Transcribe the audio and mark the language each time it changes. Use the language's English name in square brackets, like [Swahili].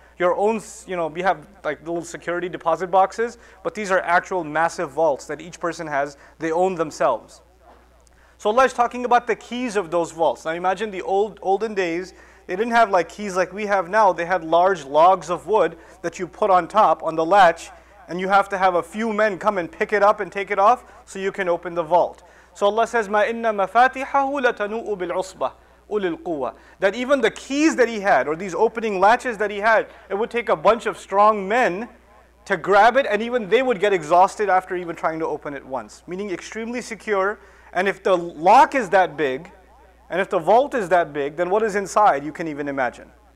[English] Your own, we have like little security deposit boxes, but these are actual massive vaults that each person has, they own themselves. So Allah is talking about the keys of those vaults. Now imagine the olden days, they didn't have like keys like we have now, they had large logs of wood that you put on top, on the latch, and you have to have a few men come and pick it up and take it off, so you can open the vault. [Arabic] So Allah says, مَا إِنَّ مَفَاتِحَهُ لَتَنُؤُ بِالْعُصْبَةِ أُولِي الْقُوَّةِ. [English] That even the keys that he had, or these opening latches that he had, it would take a bunch of strong men to grab it, and even they would get exhausted after even trying to open it once. Meaning extremely secure, and if the lock is that big, and if the vault is that big, then what is inside, you can even imagine.